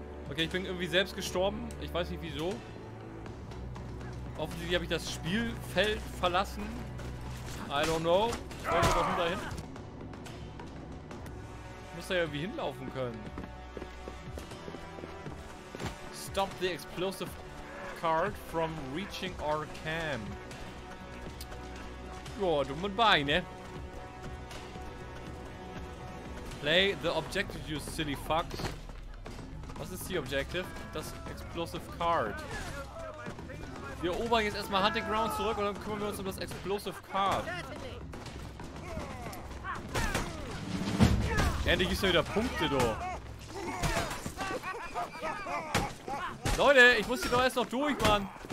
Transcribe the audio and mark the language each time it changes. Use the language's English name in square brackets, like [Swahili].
[German] Okay, ich bin irgendwie selbst gestorben. Ich weiß nicht wieso. Offensichtlich habe ich das Spielfeld verlassen. [English] I don't know. [German] Ich wollte doch nur dahin. Ich muss da ja irgendwie hinlaufen können. [English] Stop the explosive card from reaching our camp. [German] Joa, dumme Beine. [English] Play the objective, you silly fucks. [German] Was ist die Objective? Das Explosive Card. Wir erobern jetzt erstmal Hunting Ground zurück und dann kümmern wir uns um das Explosive Card. Endlich gibt's ja wieder Punkte, du. Leute, ich muss hier doch erst noch durch, Mann.